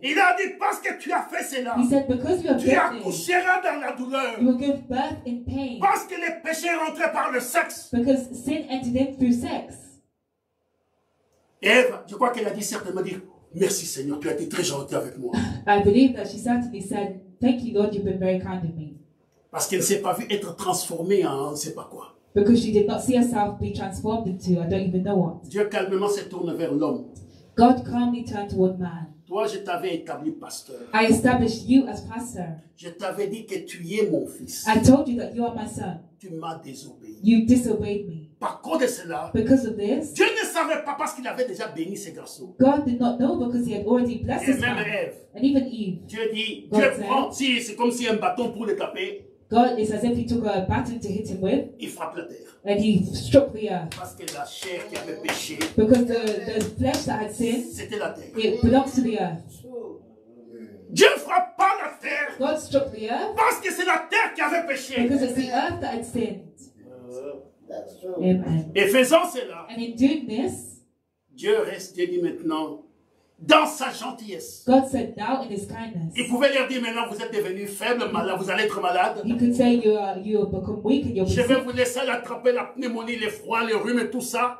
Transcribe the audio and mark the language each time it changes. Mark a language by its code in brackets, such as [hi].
[fr] Il a dit, parce que tu as fait cela. [en] He said, because you have done this. [fr] Tu accoucheras dans la douleur. [en] You will give birth in pain. [fr] Parce que les péchés sont entrés par le sexe. [en] Because sin entered in through sex. [fr] Eve, je crois qu'elle a dit certainement dire merci Seigneur, tu as été très gentil avec moi. [en] I believe that she certainly said, thank you Lord, you've been very kind to me. [fr] Parce qu'elle ne s'est pas vue être transformée en on ne sait pas quoi. [en] Because she did not see herself be transformed into, I don't even know what. [fr] Dieu calmement se tourne vers l'homme. [en] God calmly turned toward man. [fr] Toi, je t'avais établi pasteur. [en] I established you as pastor. [fr] Je t'avais dit que tu es mon fils. [en] I told you that you are my son. [fr] Tu m'as désobéi. [en] You disobeyed me. [fr] Par cause de cela, [en] because of this, [fr] Dieu ne savait pas parce qu'il avait déjà béni ces garçons. [en] God did not know because he had already blessed [fr] them. Et même Eve. [en] And even Eve. [fr] Dieu dit, [en] God Dieu said, [fr] prend, si, c'est comme si un bâton pour le taper. [en] God is as if he took a baton to hit him with. [fr] Il frappe la terre. [en] And he struck the earth. [fr] Parce que la chair qui avait péché. [en] Because the flesh that had sinned. [fr] C'était la terre. [en] It belongs to the earth. [fr] Dieu frappe pas la terre. [en] God struck the earth. [fr] Parce que c'est la terre qui avait péché. [en] Because it's the earth that had sinned. That's true. Amen. [fr] Et faisant cela, [en] and in doing this, [fr] Dieu reste dit maintenant dans sa gentillesse. [en] God said now in his kindness. [fr] Il pouvait leur dire maintenant vous êtes devenus faibles, malades, vous allez être malade. [en] He could say you become weak and you're [fr] sick. Je vais vous laisser attraper la pneumonie, le froid, le rhume et tout ça.